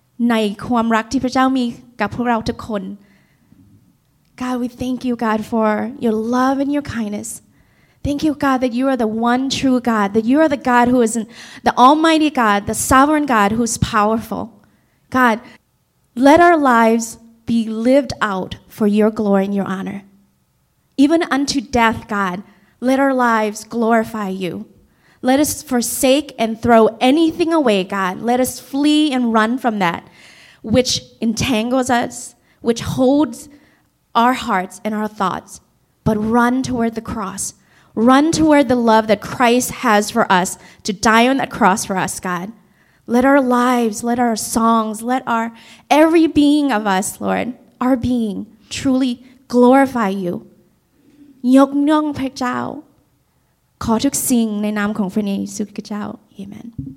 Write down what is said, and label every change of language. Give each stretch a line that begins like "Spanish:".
Thai: ในความรักที่พระเจ้ามีกับพวกเราทุกคน
English: God we thank you God for your love and your kindnessThank you, God, that you are the one true God, that you are the God who is the almighty God, the sovereign God who is powerful. God, let our lives be lived out for your glory and your honor. Even unto death, God, let our lives glorify you. Let us forsake and throw anything away, God. Let us flee and run from that which entangles us, which holds our hearts and our thoughts, but run toward the cross. Run toward the love that Christ has for us to die on that cross for us, God. Let our lives, let our songs, let our every being of us, Lord, our being, truly glorify you.
Thai: ยกย่องพระเจ้าขอทุกสิ่งในนามของพระเยซูคริสต์เจ้า Amen.